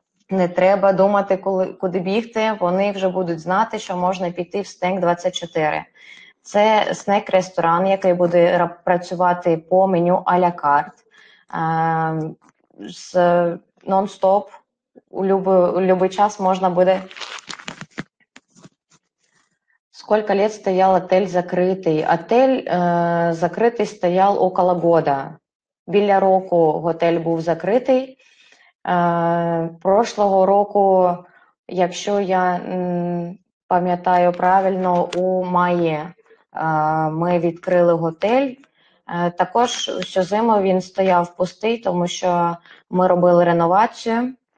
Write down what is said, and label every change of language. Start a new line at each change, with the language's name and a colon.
Ukrainian: Не треба думати, куди бігти, вони вже будуть знати, що можна піти в Снек-24. Це снек-ресторан, який буде працювати по меню а-ля-карт, з нон-стоп, у любий час можна буде...
Russian: Сколько лет стоял отель закрытый? Отель закрытый стоял около года.
Ukrainian: Біля року готель був закритий. Прошлого року, якщо я пам'ятаю правильно, у маї ми відкрили готель. Також всю зиму він стояв пустий, тому що ми робили реновацію.